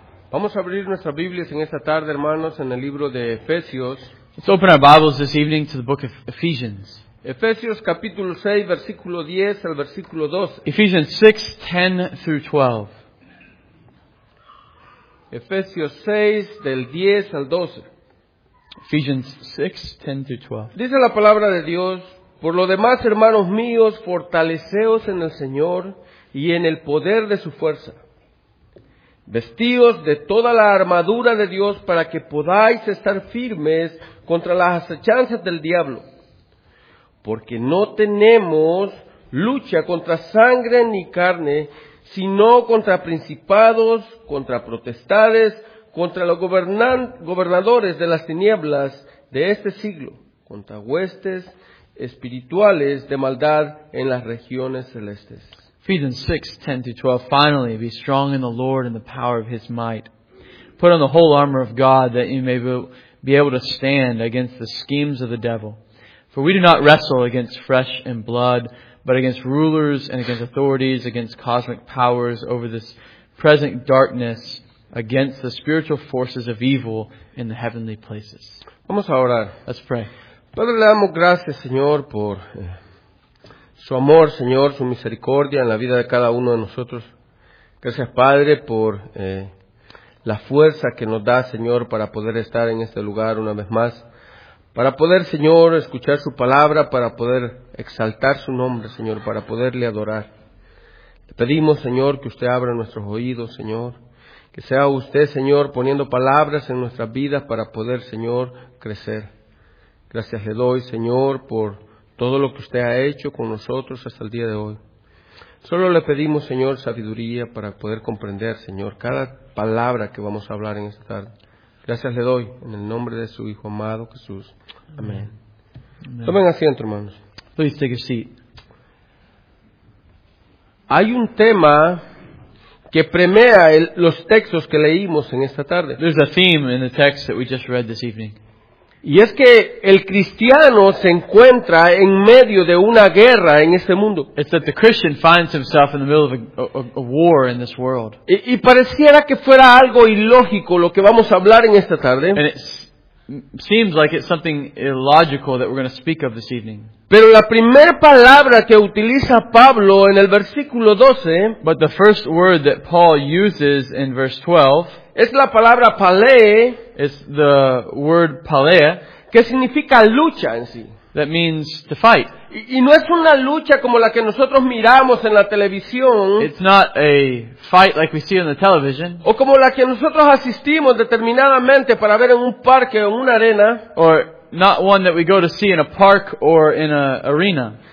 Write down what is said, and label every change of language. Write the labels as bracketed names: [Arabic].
[Spanish] Vamos a abrir nuestras Biblias en esta tarde, hermanos, en el libro de Efesios. [English] Let's open our Bibles this evening to the book of Ephesians. [Spanish] Efesios capítulo 6, versículo 10 al versículo 12. [English] Ephesians 6, 10 through 12. [Spanish] Efesios 6, del 10 al 12. [English] Ephesians 6, 10 through 12. [Spanish] Dice la palabra de Dios, por lo demás, hermanos míos, fortaleceos en el Señor y en el poder de su fuerza. Vestíos de toda la armadura de Dios para que podáis estar firmes contra las acechanzas del diablo. Porque no tenemos lucha contra sangre ni carne, sino contra principados, contra potestades, contra los gobernadores de las tinieblas de este siglo, contra huestes espirituales de maldad en las regiones celestes. [English] Ephesians 6, 10-12, finally, be strong in the Lord and the power of His might. Put on the whole armor of God that you may be able to stand against the schemes of the devil. For we do not wrestle against flesh and blood, but against rulers and against authorities, against cosmic powers over this present darkness, against the spiritual forces of evil in the heavenly places. [Spanish] Vamos a orar. [English] Let's pray. [Spanish] Padre, le damos gracias, Señor, por su amor, Señor, su misericordia en la vida de cada uno de nosotros. Gracias, Padre, por la fuerza que nos da, Señor, para poder estar en este lugar una vez más. Para poder, Señor, escuchar su palabra, para poder exaltar su nombre, Señor, para poderle adorar. Te pedimos, Señor, que usted abra nuestros oídos, Señor. Que sea usted, Señor, poniendo palabras en nuestras vidas para poder, Señor, crecer. Gracias le doy, Señor, por todo lo que usted ha hecho con nosotros hasta el día de hoy. Solo le pedimos, Señor, sabiduría para poder comprender, Señor, cada palabra que vamos a hablar en esta tarde. Gracias le doy, en el nombre de su Hijo amado, Jesús. Amén. Amén. Tomen asiento, hermanos. [English] Please take a seat. [Spanish] Hay un tema que premia los textos que leímos en esta tarde. [English] There's a theme in the text that we just read this evening. [Spanish] Y es que el cristiano se encuentra en medio de una guerra en este mundo. [English] It's that the Christian finds himself in the middle of a war in this world. [Spanish] Y pareciera que fuera algo ilógico lo que vamos a hablar en esta tarde. [English] And it seems like it's something illogical that we're going to speak of this evening. [Spanish] Pero la primera palabra que utiliza Pablo en el versículo 12, [English] but the first word that Paul uses in verse 12, [Spanish] es la palabra pale. [English] It's the word palea, [Spanish] que significa lucha en sí. [English] That means to fight. [Spanish] Y no es una lucha como la que nosotros miramos en la televisión. [English] It's not a fight like we see on the television. [Spanish] O como la que nosotros asistimos determinadamente para ver en un parque o en una arena. [English] Or not one that we go to see in a park or in an arena.